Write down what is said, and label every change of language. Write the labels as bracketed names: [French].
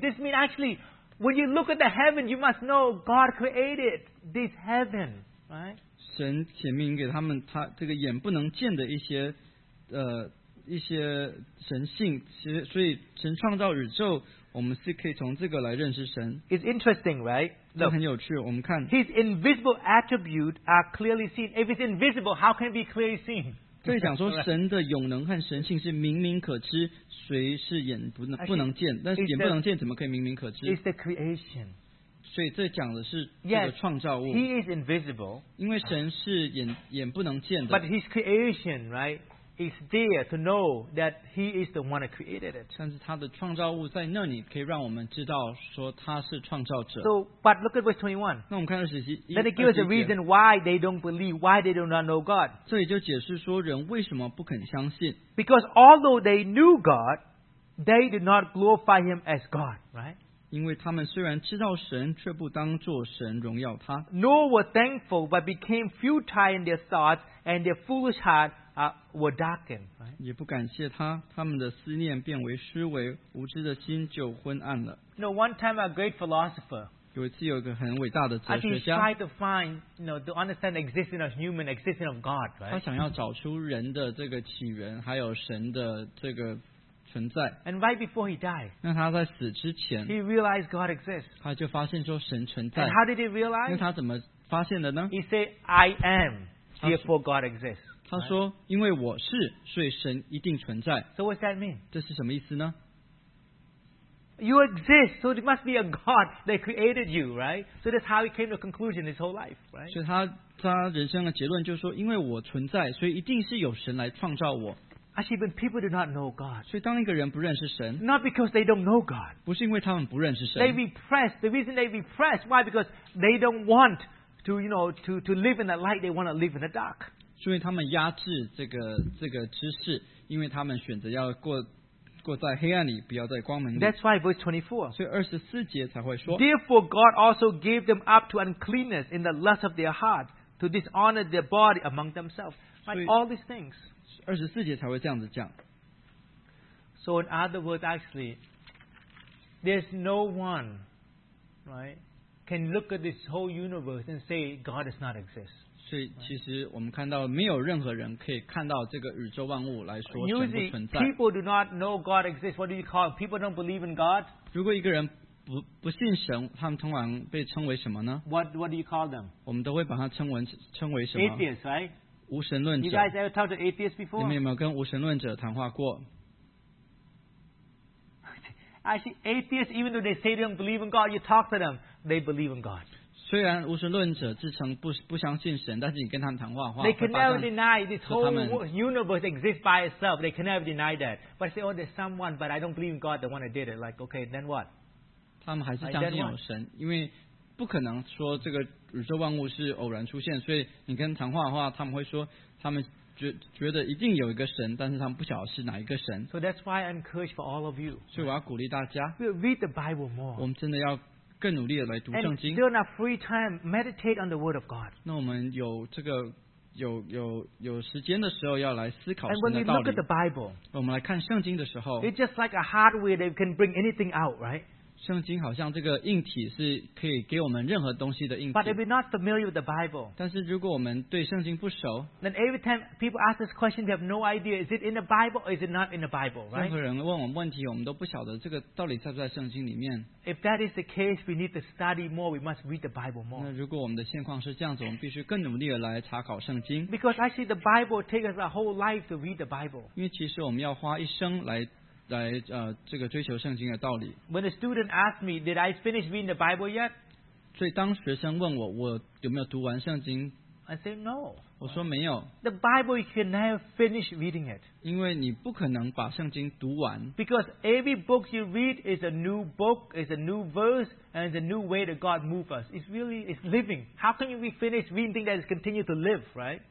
[English] This means actually, when you look at the heaven, you must know God created this heaven, right? [Chinese] 神显明给他们他这个眼不能见的一些神性，所以神创造宇宙，我们是可以从这个来认识神。 [English] It's interesting, right? [Chinese] 这很有趣。我们看 [English] His invisible attributes are clearly seen. If it's invisible, how can it be clearly seen? [Chinese] 这里讲说神的永能和神性是明明可知，谁是眼不能见？但是眼不能见怎么可以明明可知 [English] ？It's the creation. [Chinese] 所以这讲的是这个创造物。 [English] Yes, he is invisible. [Chinese] 因为神是眼不能见的。 [English] But his creation, right, is there to know that he is the one who created it. [Chinese] 但是他的创造物在那里，可以让我们知道说他是创造者。 [English] So, but look at verse 21. [Chinese] 那我们看二十七。 [English] Let it give us a reason why they don't believe, why they do not know God. [Chinese] 这里就解释说人为什么不肯相信。 [English] Because although they knew God, they did not glorify him as God, right? [Chinese] 因为他们虽然知道神，却不当作神荣耀他。 [English] Nor were thankful, but became futile in their thoughts, and their foolish heart were darkened. [Chinese] 也不感谢他，他们的思念变为虚伪，无知的心就昏暗了。 [English] No, one time a great philosopher. [Chinese] 有一次有一个很伟大的哲学家。 [English] I think he tried to find, you know, to understand the existence of human, existence of God. [Chinese] 他想要找出人的这个起源，还有神的这个。 [English] And right before he died, [Chinese] 那他在死之前 [English] he realized God exists. [Chinese] 他就发现说神存在。 [English] And how did he realize? [Chinese] 那他怎么发现的呢 [English] ？He said, "I am, therefore God exists." [Chinese] 他说，因为我是，所以神一定存在。 [English] So what's that mean? [Chinese] 这是什么意思呢 [English] ？You exist, so there must be a God that created you, right? So that's how he came to a conclusion his whole life, right? [Chinese] 所以他人生的结论就是说，因为我存在，所以一定是有神来创造我。 [English] Actually, when people do not know God, [Chinese] 所以当一个人不认识神 [English] ，not because they don't know God, [Chinese] 不是因为他们不认识神 [English] ，they repress. The reason they repress why? Because they don't want to, you know, to live in the light. They want to live in the dark. [Chinese] 所以他们压制这个知识，因为他们选择要过过在黑暗里，不要在光明里。 [English] That's why verse 24. [Chinese] 所以二十四节才会说。 [English] Therefore, God also gave them up to uncleanness in the lust of their heart, to dishonor their body among themselves. Like all these things. [Chinese] 二十四节才会这样子讲。 [English] So in other words, actually, there's no one, right, can look at this whole universe and say God does not exist. [Chinese] 所以其实我们看到没有任何人可以看到这个宇宙万物来说神不存在。 [English] Usually, people do not know God exists. What do you call it? People don't believe in God. [Chinese] 如果一个人不信神，他们通常被称为什么呢？ [English] What do you call them? [Chinese] 我们都会把它称为什么？ [English] Atheists, right? [Chinese] 无神论者。 [English] You guys ever talked to atheists before? [Chinese] 你们有没有跟无神论者谈话过？ [English] Actually, atheists, even though they say they don't believe in God, you talk to them, they believe in God. [Chinese] 虽然无神论者自称不相信神，但是你跟他们谈话的话， [English] they can never deny this whole universe exists by itself. They can never deny that. But say, oh, there's someone, but I don't believe in God, the one that did it. Like, okay, then what? [Chinese] 他们还是相信有神，因为不可能说这个宇宙万物是偶然出现。所以你跟谈话的话，他们会说他们觉得一定有一个神，但是他们不晓得是哪一个神。 [English] So that's why I encourage for all of you. [Chinese] 所以我要鼓励大家。 [English] We'll read the Bible more. [Chinese] 我们真的要更努力的来读圣经。 [English] And during our free time, meditate on the Word of God. [Chinese] 那我们有这个有时间的时候要来思考神的道理。 [English] And when we look at the Bible, [Chinese] 我们来看圣经的时候 [English] ，It's just like a hardware that can bring anything out, right? [Chinese] 圣经好像这个硬体是可以给我们任何东西的硬体。 [English] But if we're not familiar with the Bible, [Chinese] 但是如果我们对圣经不熟 [English] ，then every time people ask this question, they have no idea is it in the Bible or is it not in the Bible, right? [Chinese] 任何人问我们问题，我们都不晓得这个到底在不在圣经里面。 [English] If that is the case, we need to study more. We must read the Bible more. [Chinese] 那如果我们的现况是这样子，我们必须更努力的来查考圣经。 [English] Because actually, the Bible takes us a whole life to read the Bible. [Chinese] 因为其实我们要花一生来这个追求圣经的道理。 [English] When a student asked me, did I finish reading the Bible yet? [Chinese] 所以当学生问我，我有没有读完圣经？ [English] I said no. [Chinese] 我说没有。 [English] The Bible, you can never finish reading it. [Chinese] 因为你不可能把圣经读完。 [English] Because every book you read is a new book, is a new verse, and it's a new way that God moves us. It's living. How can you finish reading things that continue to live, right?